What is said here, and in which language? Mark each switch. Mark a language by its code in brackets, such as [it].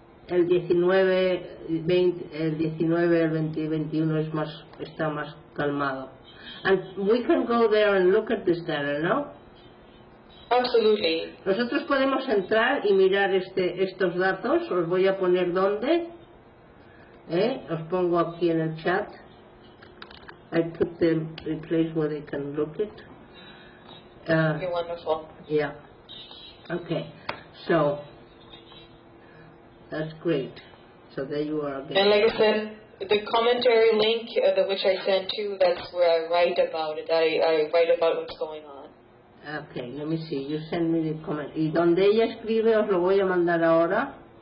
[es] El 19, el 20, el 21 es más, está más calmado. [en] And we can go there and look at this data, no? Absolutely. [es] Nosotros podemos entrar y mirar estos datos. Os voy a poner dónde. Os pongo aquí en el chat. [en] I put them in place where they can look it. Okay, wonderful. Yeah. Okay. So that's great. So there you are again. And like I said, the commentary link which I sent to, that's where I write about it. I write about what's going on. Okay, let me see. You send me the comment. [es] Y donde ella escribe, os lo voy a mandar ahora.